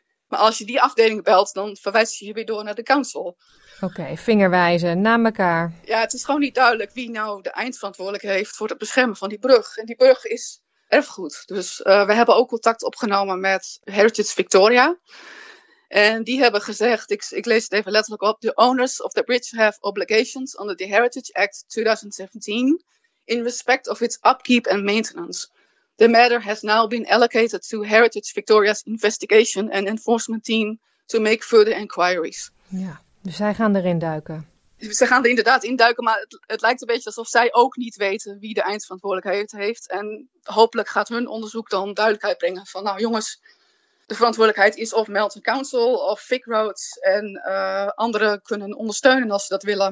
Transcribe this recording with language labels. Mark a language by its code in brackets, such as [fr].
[nl] Maar als je die afdeling belt, dan verwijst je je weer door naar de council. Oké, vingerwijzen naar elkaar. Ja, het is gewoon niet duidelijk wie nou de eindverantwoordelijkheid heeft voor het beschermen van die brug. En die brug is erfgoed. Dus we hebben ook contact opgenomen met Heritage Victoria. En die hebben gezegd, ik lees het even letterlijk op. [en] The owners of the bridge have obligations under the Heritage Act 2017 in respect of its upkeep and maintenance. The matter has now been allocated to Heritage Victoria's investigation and enforcement team to make further inquiries. [nl] Ja, dus zij gaan erin duiken. Ze gaan er inderdaad induiken, maar het lijkt een beetje alsof zij ook niet weten wie de eindverantwoordelijkheid heeft. En hopelijk gaat hun onderzoek dan duidelijkheid brengen van, nou jongens, de verantwoordelijkheid is of Melton Council of Vic Roads en anderen kunnen ondersteunen als ze dat willen.